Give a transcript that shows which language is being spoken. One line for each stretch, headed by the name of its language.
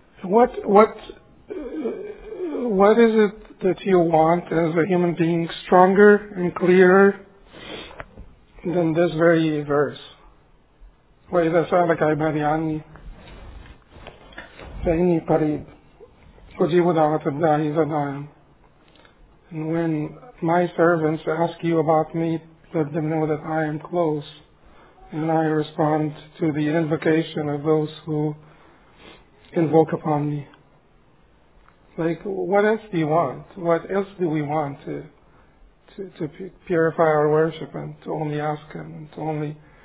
English: what is it that you want as a human being, stronger and clearer than this very verse?
Arabic: وإذا سألك عبادي عني فإني قريب أجيب دعوة الداعي إذا دعان.
English: And when my servants ask you about me, let them know that I am close, and I respond to the invocation of those who invoke upon me. Like, what else do you want? What else do we want to purify our worship and to only ask him and to only...